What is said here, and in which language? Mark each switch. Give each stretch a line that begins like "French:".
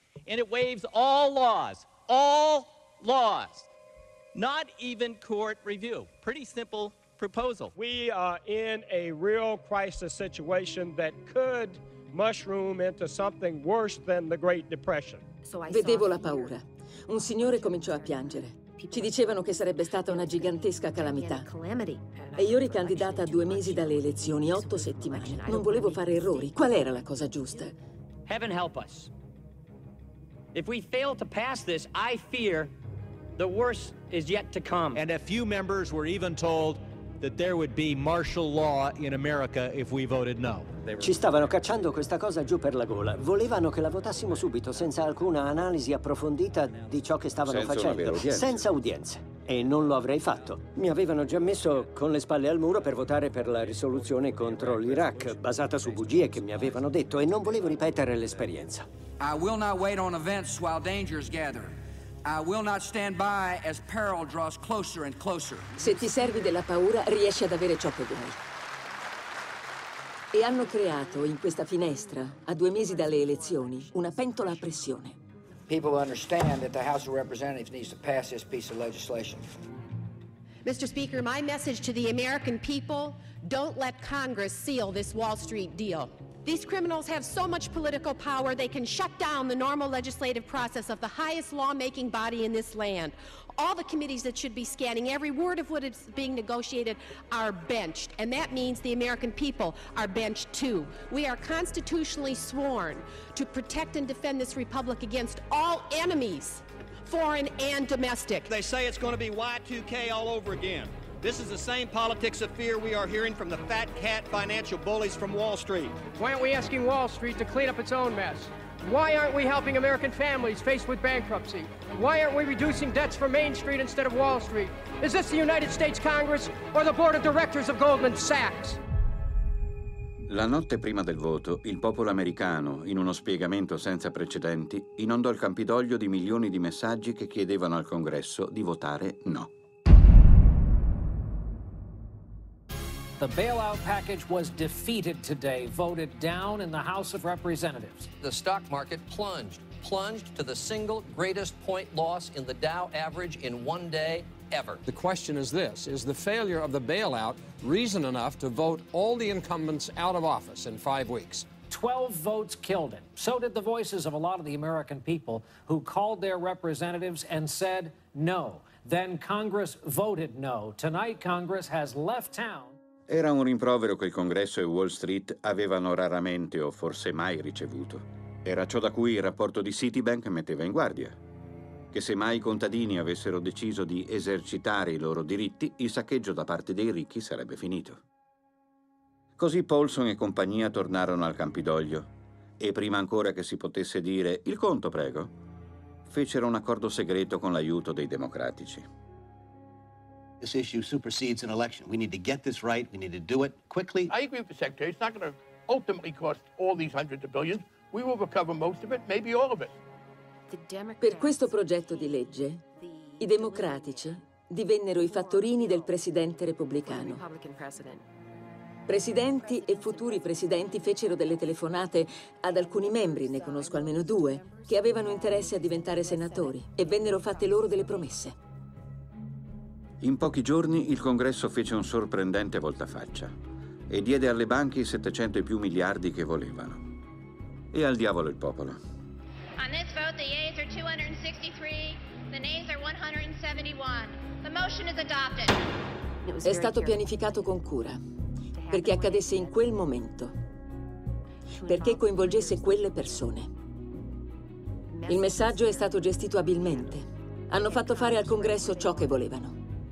English: And it waives all laws, not even court review. Pretty simple. Proposal. We are in a real crisis situation that could mushroom into something worse than the Great Depression.
Italian: Vedevo la paura. Un signore cominciò a piangere. Ci dicevano che sarebbe stata una gigantesca calamità. E io ricandidata a 2 mesi dalle elezioni, 8 settimane. Non volevo fare errori. Qual era la cosa giusta?
English: Heaven help us. If we fail to pass this, I fear the worst is yet to come. And a few members were even told that there would be martial law in America if we voted no.
Italian: Ci stavano cacciando questa cosa giù per la gola. Volevano che la votassimo subito, senza alcuna analisi approfondita di ciò che stavano facendo. Senza udienze. E non lo avrei fatto. Mi avevano già messo con le spalle al muro per votare per la risoluzione contro l'Iraq, basata su bugie che mi avevano detto, e non volevo ripetere l'esperienza.
English: I will not wait on events while dangers gather. I will not stand by as peril draws closer and closer.
Italian: Se ti servi della paura, riesci ad avere ciò che vuoi. E hanno creato in questa finestra, a 2 mesi dalle elezioni, una pentola a pressione.
English: People understand that the House of Representatives needs to pass this piece of legislation. Mr. Speaker, my message to the American people, don't let Congress seal this Wall Street deal. These criminals have so much political power, they can shut down the normal legislative process of the highest lawmaking body in this land. All the committees that should be scanning every word of what is being negotiated are benched, and that means the American people are benched too. We are constitutionally sworn to protect and defend this republic against all enemies, foreign and domestic. They say it's going to be Y2K all over again. This is the same politics of fear we are hearing from the fat cat financial bullies from Wall Street. Why aren't we asking Wall Street to clean up its own mess? Why aren't we helping American families faced with bankruptcy? Why aren't we reducing debts for Main Street instead of Wall Street? Is this the United States Congress or the board of directors of Goldman Sachs?
Italian: La notte prima del voto, il popolo americano, in uno spiegamento senza precedenti, inondò il Campidoglio di milioni di messaggi che chiedevano al Congresso di votare no.
English: The bailout package was defeated today, voted down in the House of Representatives. The stock market plunged to the single greatest point loss in the Dow average in one day ever. The question is this, is the failure of the bailout reason enough to vote all the incumbents out of office in 5 weeks? 12 votes killed it. So did the voices of a lot of the American people who called their representatives and said no. Then Congress voted no. Tonight Congress has left town.
Italian: Era un rimprovero che il Congresso e Wall Street avevano raramente o forse mai ricevuto. Era ciò da cui il rapporto di Citibank metteva in guardia. Che se mai i contadini avessero deciso di esercitare i loro diritti, il saccheggio da parte dei ricchi sarebbe finito. Così Paulson e compagnia tornarono al Campidoglio e prima ancora che si potesse dire «il conto, prego», fecero un accordo segreto con l'aiuto dei democratici.
English: This issue supersedes an election. We need to get this right. We need to do it quickly. I agree with the Secretary. It's not going to ultimately cost all these hundreds of billions. We will recover most of it, maybe all of it.
Italian: Per questo progetto di legge, i democratici divennero i fattorini del presidente repubblicano. Presidenti e futuri presidenti fecero delle telefonate ad alcuni membri, ne conosco almeno due, che avevano interesse a diventare senatori e vennero fatte loro delle promesse. In pochi giorni il Congresso fece un sorprendente voltafaccia e diede alle banche i 700 e più miliardi che volevano. E al diavolo il popolo.
English: On this vote the yeas are 263, the nays are 171. The motion is adopted.
Italian: È stato pianificato con cura perché accadesse in quel momento, perché coinvolgesse quelle persone. Il messaggio è stato gestito abilmente. Hanno fatto fare al Congresso ciò che volevano.